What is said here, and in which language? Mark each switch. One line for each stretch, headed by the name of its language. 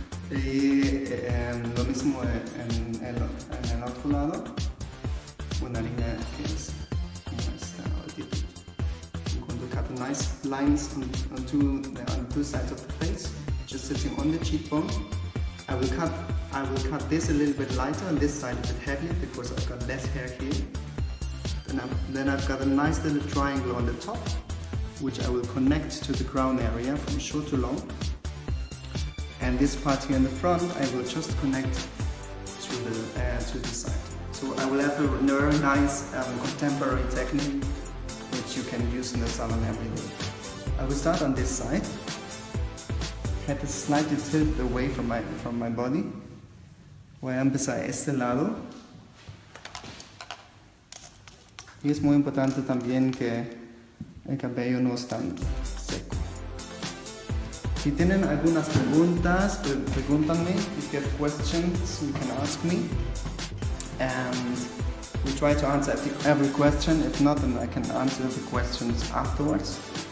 Spanish: Y lo mismo en el otro lado, una línea que es como esta ratito.
English: I'm going to cut nice lines on two sides of the face, just sitting on the cheekbone. I will cut this a little bit lighter and this side a bit heavier because I've got less hair here. Then I've got a nice little triangle on the top, which I will connect to the crown area from short to long. And this part here in the front, I will just connect to the side. So I will have a very nice contemporary technique, which you can use in the salon every day. I will start on this side. Had a slight tilt away from my body.
Spanish: Voy a empezar este lado. Y es muy importante también que el cabello no esté tan seco. Si tienen algunas preguntas, pregúntame.
English: If you have questions, you can ask me. And we try to answer every question. If not, then I can answer the questions afterwards.